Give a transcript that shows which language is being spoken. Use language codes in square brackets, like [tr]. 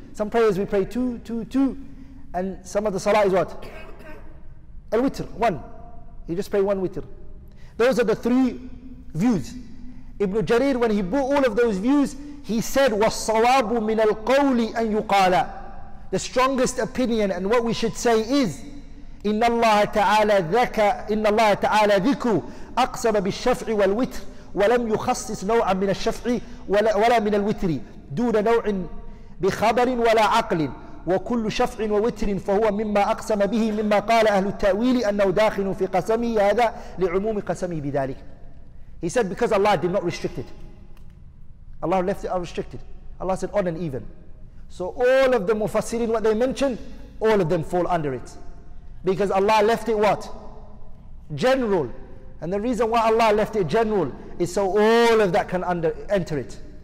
[en] Some prayers we pray two, and some of the salah is what? Al-witr, one. You just pray one witr. Those are the three views. Ibn Jarir, when he brought all of those views, he said, [ar] وَالصَّوَابُ مِنَ الْقَوْلِ أَن يُقَالَ. [en] The strongest opinion and what we should say is, [ar] إِنَّ اللَّهَ تَعَالَى ذَكَى إِنَّ اللَّهَ تَعَالَى ذِكُ أَقْسَمَ بِالشَّفْعِ وَالْوِتْرِ وَلَمْ يُخَصِّصْ نَوْعًا مِنَ الشَّفْعِ وَلَا مِنَ الْوِتْرِ دُونَ نَوْعٍ بِخَبَرٍ وَلَا عَقْلٍ وَكُلُّ شَفْعٍ وَوِتْرٍ فَهُوَ مِمَّا أَقْسَمَ بِهِ مِمَّا قَالَ أَهْلُ التَّأْوِيلِ أَنَّهُ دَاخِلٌ فِي قَسَمِهِ هَذَا لِعُمُومِ قَسَمِهِ بِذَلِكَ. [en] He said, because Allah did not restrict it. Allah left it unrestricted. Allah said, odd and even. So all of the mufassirin, what they mentioned, all of them fall under it. Because Allah left it what? General. And the reason why Allah left it general is so all of that can enter it.